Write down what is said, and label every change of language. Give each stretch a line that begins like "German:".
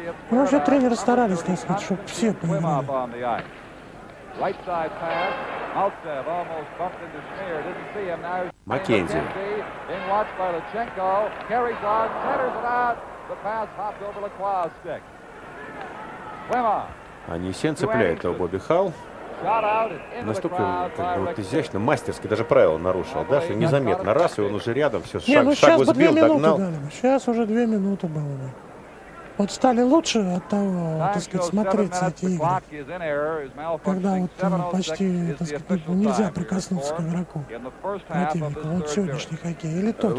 Russian: Ну, вообще тренеры старались, так сказать, чтобы все поймали.
English: Right side pass. Maltsev almost bumped into Schneer. Didn't see him. Now McKenzie. In watch by Luchenko. Carries on. Centers it out. The pass hopped over Lacroix's stick. Klimov.
Russian: Они все цепляют его, Бобби Халл. Настолько как бы, вот изящно, мастерски, даже правила нарушил, да, что незаметно. Раз, и он уже рядом, все, шаг, не, ну шагу сбил, догнал. Дали. Сейчас уже две минуты было бы. Вот стали лучше от того, так сказать, смотреть эти игры, когда вот почти, так сказать, нельзя прикоснуться к игроку, противнику, вот сегодняшний хоккей или тот.